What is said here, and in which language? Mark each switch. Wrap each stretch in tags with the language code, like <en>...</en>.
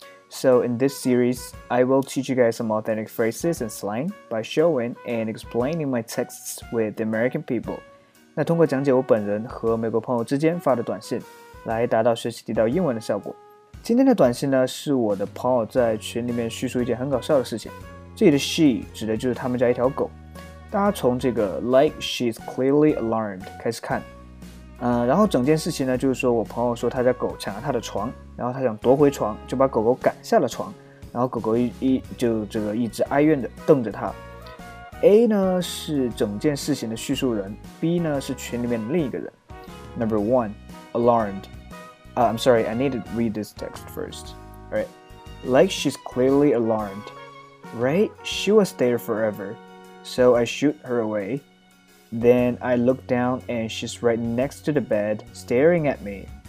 <en>So in this series, I will teach you guys some authentic phrases and slang by showing and explaining my texts with the American people.</en> <zh>那通过讲解我本人和美国朋友之间发的短信，来达到学习地道英文的效果。今天的短信呢，是我的朋友在群里面叙述一件很搞笑的事情。这里的 she 指的就是他们家一条狗。大家从这个</zh> <en>like she's clearly alarmed</en> <zh>开始看，然后整件事情呢，就是说我朋友说他家狗抢了他的床，然后他想夺回床，就把狗狗赶下了床，然后狗狗就这个一直哀怨的瞪着他。 A 呢是整件事情的叙述人 ，B 呢是群里面的另一个人。</zh> <en>Number one, alarmed. I'm sorry, I need to read this text first. All right, like she's clearly alarmed. Right? She was there forever. So I shoot her away. Then I look down and she's right next to the bed, staring at me.</en>